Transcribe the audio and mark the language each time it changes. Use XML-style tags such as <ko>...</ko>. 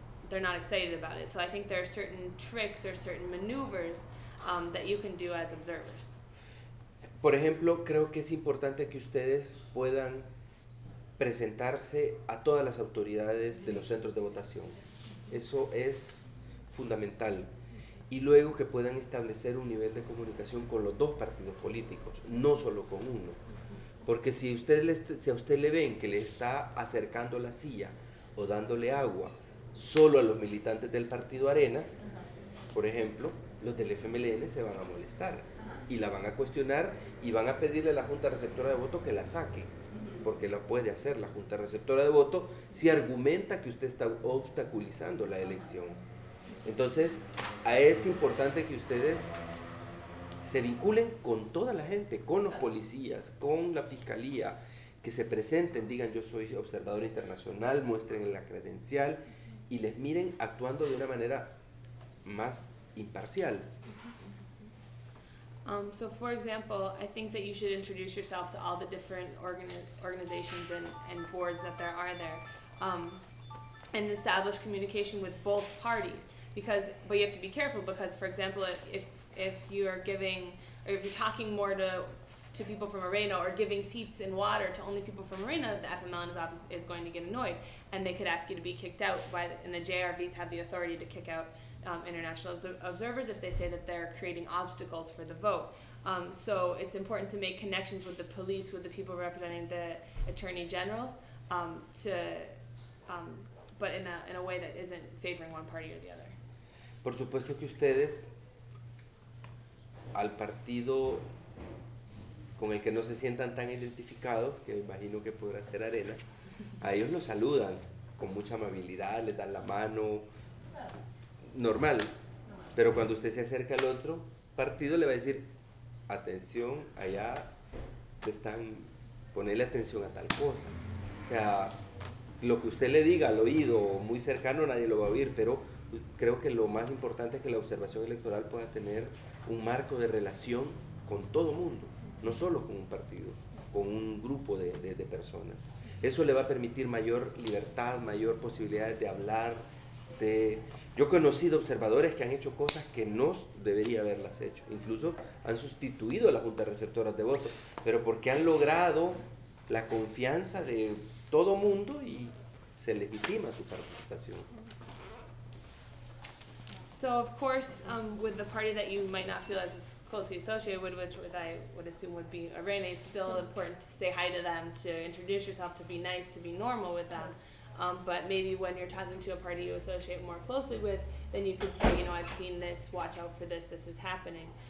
<en>They're not excited about it. So I think there are certain tricks or certain maneuvers that you can do as observers.</en> <es>Por ejemplo, creo que es importante que ustedes puedan presentarse a todas las autoridades de los centros de votación. Eso es fundamental. Y luego que puedan establecer un nivel de comunicación con los dos partidos políticos, no solo con uno. Porque si a usted le ven que le está acercando la silla o dándole agua solo a los militantes del partido Arena, por ejemplo, los del FMLN se van a molestar y la van a cuestionar y van a pedirle a la Junta Receptora de Voto que la saque, porque la puede hacer la Junta Receptora de Voto si argumenta que usted está obstaculizando la elección. Entonces, es importante que ustedes se vinculen con toda la gente, con los policías, con la fiscalía, que se presenten, digan yo soy observador internacional, muestren la credencial y les miren actuando de una manera más imparcial.</es> <en>So for example, I think that you should introduce yourself to all the different organizations and boards that there are there, and establish communication with both parties. Because, but you have to be careful because, for example, if you are giving, or if you're talking more to people from Arena or giving seats and water to only people from Arena, the FMLN's office is going to get annoyed and they could ask you to be kicked out. And the JRVs have the authority to kick out international observers if they say that they're creating obstacles for the vote. So it's important to make connections with the police, with the people representing the attorney generals, but in a way that isn't favoring one party or the other.</en> <es>Por supuesto que ustedes, al partido con el que no se sientan tan identificados, que imagino que podrá ser Arena, a ellos los saludan con mucha amabilidad, les dan la mano, normal. Pero cuando usted se acerca al otro partido, le va a decir, atención, allá te están, ponele atención a tal cosa. O sea, lo que usted le diga al oído, muy cercano, nadie lo va a oír, pero creo que lo más importante es que la observación electoral pueda tener un marco de relación con todo mundo, no solo con un partido, con un grupo de personas. Eso le va a permitir mayor libertad, mayor posibilidad de hablar. Yo he conocido observadores que han hecho cosas que no debería haberlas hecho. Incluso han sustituido a la Junta Receptora de Votos, pero porque han logrado la confianza de todo mundo y se legitima su participación.</es> <en>So of course, with the party that you might not feel as closely associated with, which I would assume would be Arena, it's still important to say hi to them, to introduce yourself, to be nice, to be normal with them. But maybe when you're talking to a party you associate more closely with, then you could say, you know, I've seen this, watch out for this, this is happening.</en>